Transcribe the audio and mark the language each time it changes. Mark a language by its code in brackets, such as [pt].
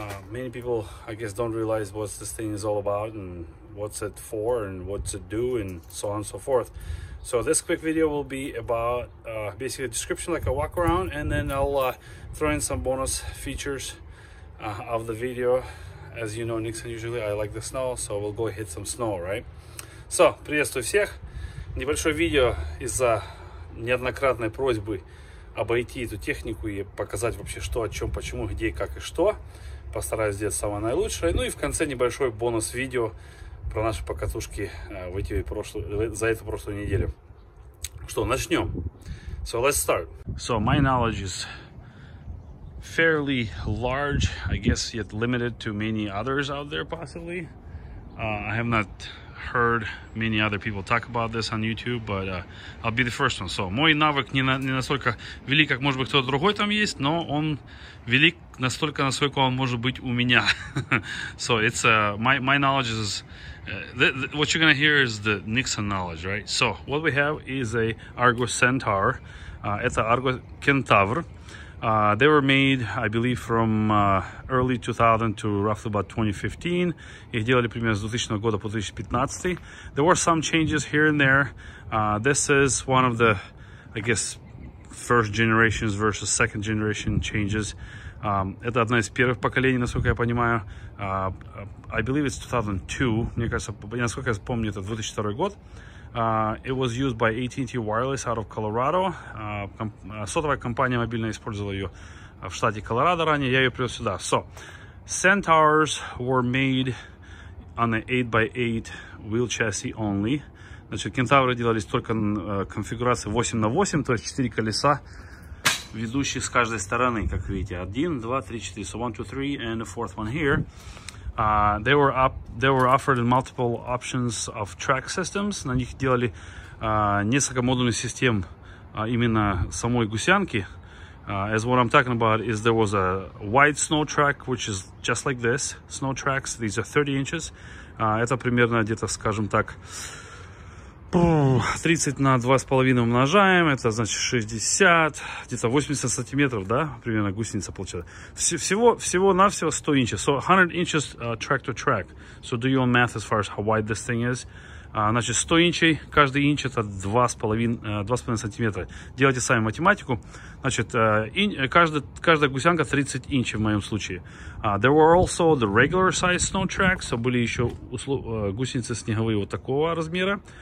[en] Many people, I guess, don't realize what this thing is all about and what's it for and what's it do and so on and so forth. So this quick video will be about basically a description, like a walk around, and then I'll throw in some bonus features of the video. As you know, Nixon, usually I like the snow, so we'll go hit some snow, right? [ru] So, приветствую всех. Небольшое видео из-за неоднократной просьбы обойти эту технику и показать вообще что, о чем, почему, где, как и что. Постараюсь сделать самое наилучшее. Ну и в конце небольшой бонус видео про наши покатушки за эту прошлую неделю. Что, начнем. [en] So, let's start. So, my knowledge is fairly large, I guess, yet limited to many others out there possibly. I have not heard many other people talk about this on YouTube, but I'll be the first one. So, [ru] мой навык не настолько велик, как может быть кто-то другой там есть, но он велик настолько, насколько он может быть у меня. [en] So, it's my knowledge is what you're going to hear is the Nixon knowledge, right? So, what we have is a Argo Centaur. [ru] Это Argo Centaur. [en] They were made, I believe, from early 2000 to roughly about 2015. [ru] Их делали примерно с 2000 года по 2015. [en] There were some changes here and there. This is one of the, I guess, first generations versus second generation changes. [ru] Это одна из первых поколений, насколько я понимаю. [en] I believe it's 2002. [ru] Мне кажется, насколько я помню, это 2002 год. [en] It was used by AT&T Wireless out of Colorado. [ru] Сотовая компания мобильная использовала ее в штате Колорадо ранее. Я ее привез сюда. [en] So, Centaurs were made on an 8x8 wheel chassis only. [ru] Значит, кентавры делались только конфигурации 8x8, то есть 4 колеса, ведущие с каждой стороны, как видите. [en] 1, 2, 3, 4. So, 1, 2, 3, and the fourth one here. They were offered multiple options of track systems. [ru] На них делали несколько модульных систем именно самой гусянки. [en] As what I'm talking about is there was a wide snow track, which is just like this. Snow tracks, these are 30 inches. [ru] Это примерно где-то, скажем так, 30 на 2,5 умножаем, это значит 60, где-то 80 сантиметров, да, примерно гусеница получается. Всего-навсего [en] 100 inches, so 100 inches track to track. So do your own math as far as how wide this thing is. [ru] Значит, 100 инчей, каждый инч это 2,5 сантиметра. Делайте сами математику. Значит, каждая гусянка 30 инчей в моем случае. [en] There were also the regular size snow tracks. So [ru] были еще гусеницы снеговые вот такого размера.